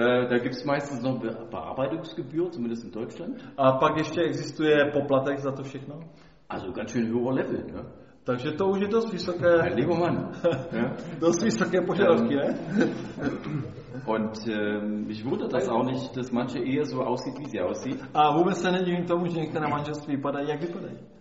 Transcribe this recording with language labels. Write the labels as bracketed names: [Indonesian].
[German] Da gibt es meistens noch Bearbeitungsgebühr, zumindest in Deutschland. [Czech] A pak ještě existuje poplatek za to všechno. [German] Also ganz schön hoher Level, ne? [Czech] Takže to už je dost vysoké. [German] Ein lieber Mann. [Czech] Dost vysoké požadavky, ne? [German] Und ich wundere das auch nicht, dass manche eher so aussieht, wie sie aussieht. [Czech] A vůbec se nedivím tomu, že některé manželství vypadají, jak vypadají.